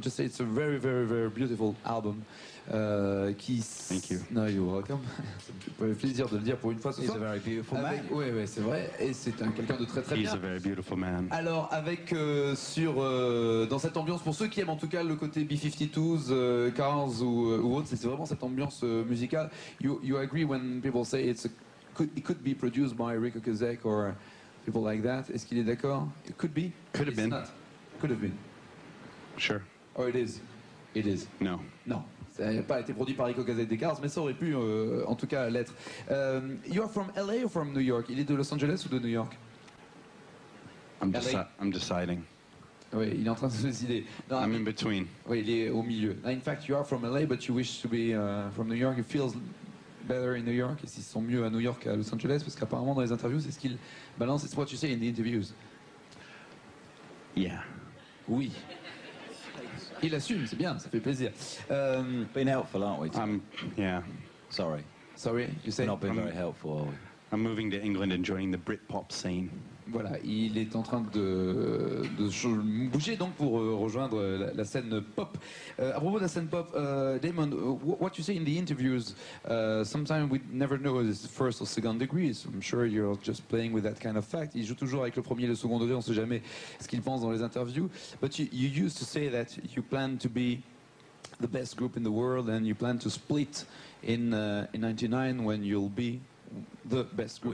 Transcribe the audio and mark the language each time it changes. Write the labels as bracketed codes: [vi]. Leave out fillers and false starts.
[en] Just say it's a very very very beautiful album. [fr] Qui [en] Thank you. No, you're welcome. [fr] C'est un plaisir de le dire pour une fois ce soir. [en] He's a very beautiful man. [fr] Oui, oui, c'est vrai. Et c'est un quelqu'un de très très [en] He's [fr] bien. [en] He's a very beautiful man. [fr] Alors, avec sur dans cette ambiance, pour ceux qui aiment en tout cas le côté B-52s, Cars ou autre, c'est vraiment cette ambiance musicale. [en] You agree when people say it could be produced by Rico Kozek or people like that? [fr] Est-ce qu'il est d'accord? [en] It could be. Could have been. Not. Could have been. Sure. Or it is. It is. No. No. [fr] Ça n'a pas été produit par Rico Kozek des Cars, mais ça aurait pu en tout cas l'être. [en] You are from LA or from New York? [fr] Il est de Los Angeles ou de New York? [en] I'm deciding. [fr] Oui, il est en train de se décider. [en] Non, I'm in between. [fr] Oui, il est au milieu. [en] In fact, you are from LA, but you wish to be from New York. It feels better in New York. [fr] Ils sont mieux à New York qu'à Los Angeles, parce qu'apparemment dans les interviews, c'est ce qu'il balance. [en] It's what you say in the interviews. Yeah. [fr] Oui. Il assume, c'est bien, ça fait plaisir. [en] Been helpful, aren't we? Yeah. Sorry. Sorry, you say? Not been very helpful, are we? I'm moving to England and joining the Britpop scene. [fr] Voilà, il est en train de bouger donc pour rejoindre la scène pop. À propos de la scène pop, [en] Damon, what you say in the interviews, sometimes we never know if it's first or second degree, so I'm sure you're just playing with that kind of fact. [fr] Il joue toujours avec le premier et le second degré, on ne sait jamais ce qu'il pense dans les interviews. [en] But you used to say that you plan to be the best group in the world and you plan to split in 99 when you'll be the best group